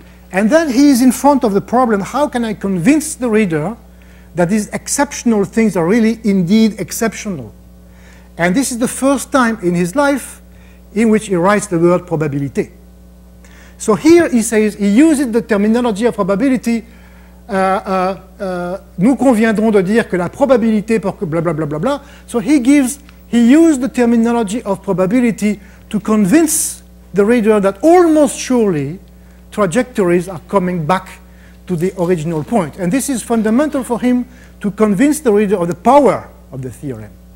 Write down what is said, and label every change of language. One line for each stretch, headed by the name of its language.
English: And then he is in front of the problem, how can I convince the reader that these exceptional things are really indeed exceptional? And this is the first time in his life in which he writes the word probabilité. So here he says, he uses the terminology of probability.
French: Nous conviendrons de dire que la probabilité pour que blah, blah, blah, blah, blah.
English: So he used the terminology of probability to convince the reader that almost surely trajectories are coming back to the original point. And this is fundamental for him to convince the reader of the power of the theorem.